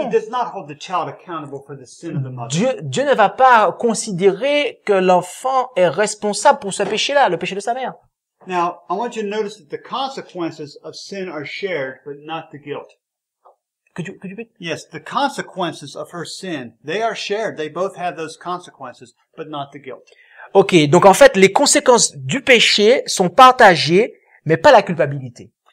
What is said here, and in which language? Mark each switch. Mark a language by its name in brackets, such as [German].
[English] He does not hold the child accountable for the sin of the mother. [French] Dieu ne va pas considérer que l'enfant est responsable pour ce péché-là, le péché de sa mère. [English] Now, I want you to notice that the consequences of sin are shared, but not the guilt. Could you be? Yes, the consequences of her sin, they are shared. They both have those consequences, but not the guilt. [French] OK, donc en fait, les conséquences du péché sont partagées, mais pas la culpabilité.